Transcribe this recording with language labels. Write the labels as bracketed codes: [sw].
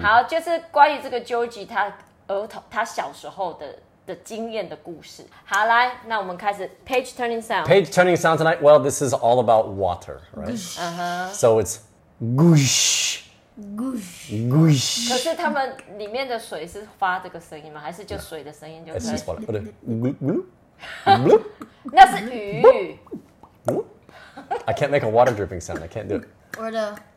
[zh] 好，就是关于这个啾吉他小时候的经验的故事。好，来，那我们开始 [en] Page turning sound tonight. Well, this is all about water, right? So it's goosh, Goosh. [zh] 可是它们里面的水是发这个声音吗？还是就水的声音就可以？ [en] It's just water. [zh] 那是鱼。 [en] I can't make a water dripping sound. I can't do it. Or the...